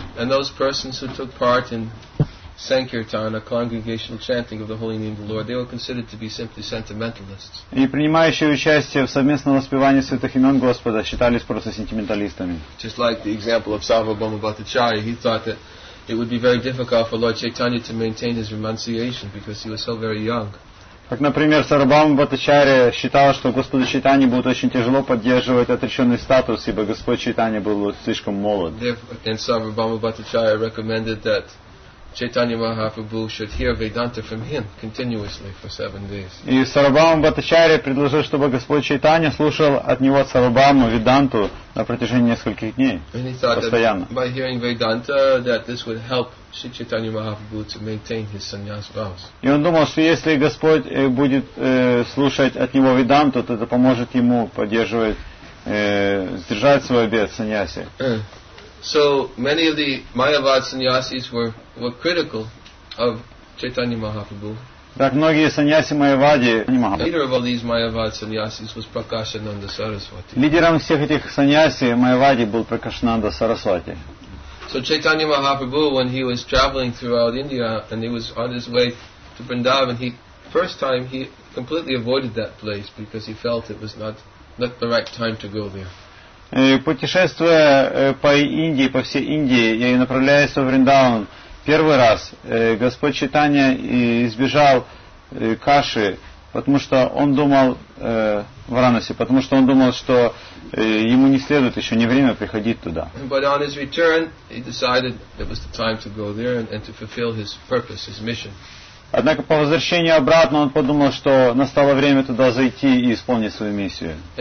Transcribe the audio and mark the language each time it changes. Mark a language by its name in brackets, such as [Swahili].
[English] And those persons who took part in Sankirtan, a congregational chanting of the holy name of the Lord, they were considered to be simply sentimentalists. [Russian] И принимающие участие в совместном воспевании святых имен Господа считались просто сентименталистами. [English] Just like the example of Sarvabhauma Bhattacharya, he thought that it would be very difficult for Lord Chaitanya to maintain his renunciation because he was so very young. [Russian] Как, например, Сарвабхаума Бхаттачарья считал, что Господу Чайтанье будет очень тяжело поддерживать отреченный статус, ибо Господь Чайтанье был слишком молод. [English] And Sarvabhauma Bhattacharya recommended that Chaitanya Mahaprabhu should hear Vedanta from him continuously for 7 days. [Russian] И Сарвабхаума Бхаттачарья предложил, чтобы Господь Чайтанья слушал от него Сарвабхауму Веданту на протяжении нескольких дней постоянно. [English] By hearing Vedanta, that this would help Sri Chaitanya Mahaprabhu to maintain his sannyas vows. [Russian] И он думал, что если Господь будет слушать от него Веданту, то это поможет ему поддерживать, сдержать свой обет саньяси. [English] So many of the Mayavad sannyasis were critical of Chaitanya Mahaprabhu. [Russian] Так многие саньяси Майявади. [English] Leader of all these Mayavad sannyasis was Prakashananda Saraswati. [Russian] Лидером всех этих саньяси Майявади был Прокашананда Сарасвати. [English] So Chaitanya Mahaprabhu, when he was traveling throughout India and he was on his way to Vrindavan, he first time he completely avoided that place because he felt it was not the right time to go there. [Russian] Путешествуя по Индии, по всей Индии, я и направляюсь в Вриндаван первый раз, Господь Чайтанья избежал Каши, потому что он думал Варанаси, потому что он думал, что ему не следует еще не время приходить туда. [English] But on his return, he decided it was the time to go there and to fulfill his purpose, his mission. [Russian] Однако по возвращении обратно он подумал, что настало время туда зайти и исполнить свою миссию.